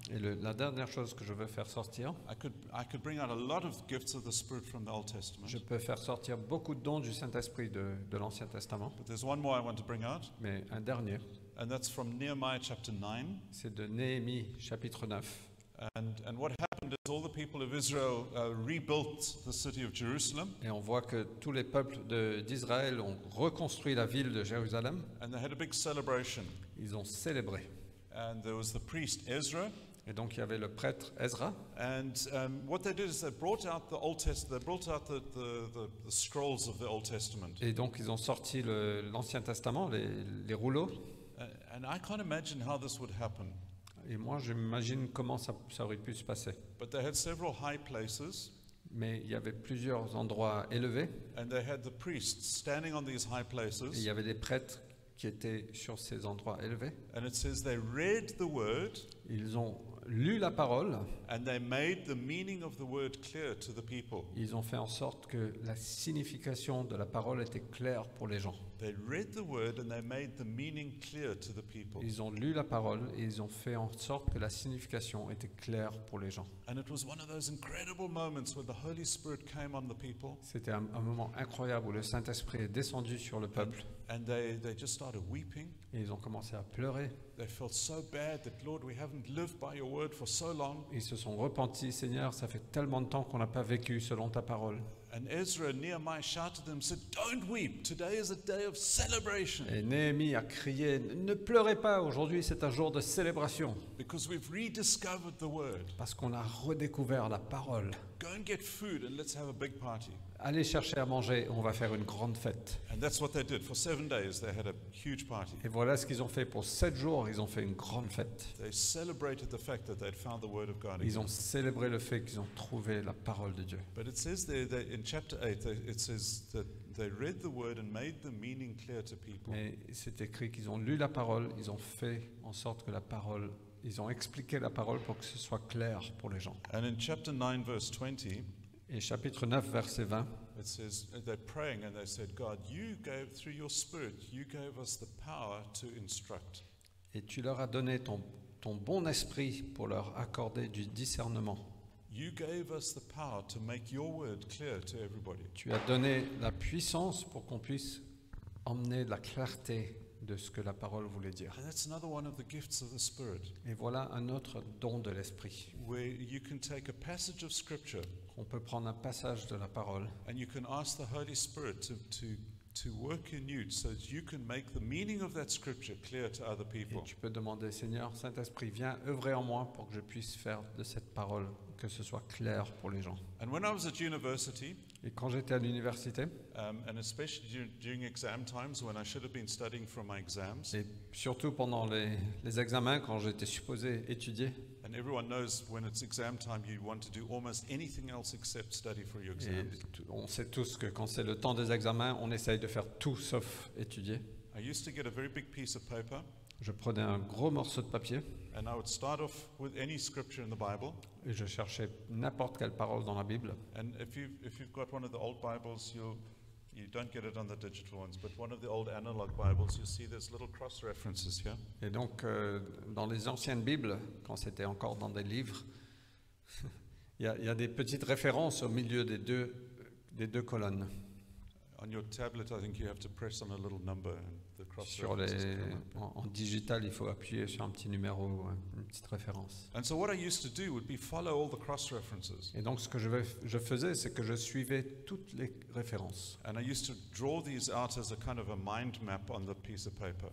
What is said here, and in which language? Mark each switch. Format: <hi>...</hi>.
<fr>Et la dernière chose que je veux faire sortir.</fr> <en>I could bring out a lot of gifts of the Spirit from the Old Testament.</en> <fr>Je peux faire sortir beaucoup de dons du Saint-Esprit de l'Ancien Testament.</fr> <en>But there's one more I want to bring out.</en> <fr>Mais un dernier.</fr> <en>And that's from Nehemiah chapter 9.</en> <fr>C'est de Néhémie chapitre 9.</fr> <en>And what happened is all the people of Israel rebuilt the city of Jerusalem.</en> <fr>Et on voit que tous les peuples d'Israël ont reconstruit la ville de Jérusalem.</fr> <en>And they had a big celebration.</en> <fr>Ils ont célébré.</fr> <en>And there was the priest Ezra.</en> <fr>Et donc il y avait le prêtre Ezra.</fr> <en>And what they did is they brought out the Old Testament. They brought out the scrolls of the Old Testament.</en> <fr>Et donc ils ont sorti l'Ancien Testament, les rouleaux.</fr> <en>And I can't imagine how this would happen.</en> <fr>Et moi, j'imagine comment ça aurait pu se passer.</fr> <en>But they had several high places.</en> <fr>Mais il y avait plusieurs endroits élevés.</fr> <en>And they had the priests standing on these high places.</en> <fr>Et il y avait des prêtres qui étaient sur ces endroits élevés.</fr> <en>And it says they read the word.</en> <fr>Ils ont lu la parole.</fr> <en>And they made the meaning of the word clear to the people.</en> <fr>Ils ont fait en sorte que la signification de la parole était claire pour les gens.</fr> <en>They read the word and they made the meaning clear to the people.</en> <fr>Ils ont lu la parole et ils ont fait en sorte que la signification était claire pour les gens.</fr> <en>And it was one of those incredible moments where the Holy Spirit came on the people.</en> <fr>C'était un moment incroyable où le Saint-Esprit est descendu sur le peuple.</fr> <en>And they just started weeping.</en> <fr>Et ils ont commencé à pleurer.</fr> <en>They felt so bad that Lord, we haven't lived by your word for so long.</en> <fr>Ils se sont repentis, Seigneur, ça fait tellement de temps qu'on n'a pas vécu selon ta parole.</fr> <en>And Ezra and Nehemiah shouted them, said, "Don't weep. Today is a day of celebration."</en> <fr>Et Néhémie a crié, ne pleurez pas. Aujourd'hui, c'est un jour de célébration.</fr> <en>Because we've rediscovered the word.</en> <fr>Parce qu'on a redécouvert la parole.</fr> <en>Go and get food and let's have a big party.</en> <fr>Allez chercher à manger, on va faire une grande fête.</fr> <en>And that's what they did. For 7 days, they had a huge party.</en> <fr>Et voilà ce qu'ils ont fait pour 7 jours. Ils ont fait une grande fête.</fr> <en>They celebrated the fact that they'd found the word of God.</en> <fr>Ils ont célébré le fait qu'ils ont trouvé la parole de Dieu.</fr> <en>But it says there that in chapter 8, it says that they read the word and made the meaning clear to people.</en> <fr>Mais c'est écrit qu'ils ont lu la parole, ils ont fait en sorte que la parole, ils ont expliqué la parole pour que ce soit clair pour les gens.</fr> <en>And in chapter 9, verse 20.</en> <fr>Et chapitre 9, verset 20.</fr> <en>It says they're praying and they said, God, you gave through your spirit, you gave us the power to instruct.</en> <fr>Et tu leur as donné ton bon esprit pour leur accorder du discernement.</fr> <en>You gave us the power to make your word clear to everybody.</en> <fr>Tu as donné la puissance pour qu'on puisse emmener la clarté de ce que la parole voulait dire.</fr> <en>And that's another one of the gifts of the spirit.</en> <fr>Et voilà un autre don de l'esprit.</fr> <en>Where you can take a passage of scripture.</en> <fr>On peut prendre un passage de la parole.</fr> <en>And you can ask the Holy Spirit to work in you so that you can make the meaning of that scripture clear to other people.</en> <fr>Et tu peux demander, Seigneur, Saint-Esprit, viens œuvrer en moi pour que je puisse faire de cette parole que ce soit clair pour les gens.</fr> <en>And when I was at university,</en> <fr>et quand j'étais à l'université,</fr> <en>and especially during exam times when I should have been studying for my exams,</en> <fr>et surtout pendant les examens quand j'étais supposé étudier,</fr> <en>and everyone knows when it's exam time you want to do almost anything else except study for your exams.</en> <fr>Et on sait tous que quand c'est le temps des examens, on essaye de faire tout sauf étudier.</fr> <en>I used to get a very big piece of paper.</en> <fr>Je prenais un gros morceau de papier.</fr> <en>And I would start off with any scripture in the Bible.</en> <fr>Et je cherchais n'importe quelle parole dans la Bible.</fr> <en>And if you've got one of the old Bibles, you don't get it on the digital ones, but one of the old analog Bibles, you see there's little cross references here.</en> <fr>Et donc dans les anciennes Bibles, quand c'était encore dans des livres, il y a des petites références au milieu des deux colonnes.</fr> <en>On your tablet, I think you have to press on a little number.</en> <fr>Sur les, en digital, il faut appuyer sur un petit numéro, une petite référence.</fr> <en>And so what I used to do would be follow all the cross references.</en> <fr>Et donc ce que je faisais, c'est que je suivais toutes les références.</fr> <en>And I used to draw these out as a kind of a mind map on the piece of paper.</en>